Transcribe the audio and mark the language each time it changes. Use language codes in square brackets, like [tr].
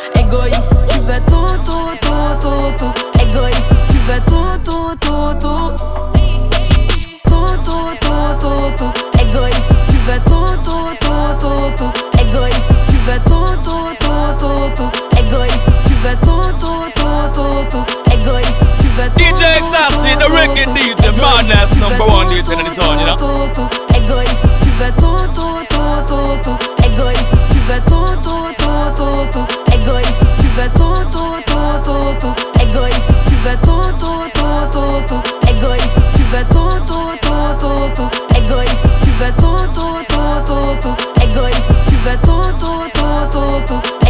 [fr] Égoïste, tu veux tout, tout, tout, tout, tout. Égoïste. Tu veux tout, tout, tout, tout. Tout, tout, tout, tout, tout. Égoïste, tu veux tout, tout, tout, tout, tout. Égoïste, tu veux tout, tout, tout, tout, tout. Égoïste, tu veux tout, tout, tout, tout, tout. Égoïste, tu veux tout, tout, tout, tout. [en] DJ Stassi, the record DJ, madness number one DJ in the zone, you know. [fr] Égoïste, tu veux tout, tout, tout, tout, tout. Égoïste, tu veux tout, tout, tout, tout, tout. Égoïste, tu veux tout, tout, tout, tout, tout. Égoïste. Tu veux tout, tout, tout, tout, tout. Égoïste, tu veux tout, tout, tout, tout, tout. Égoïste, tu veux tout, tout, tout, tout, tout. Égoïste, tu veux tout, tout, tout, tout, tout.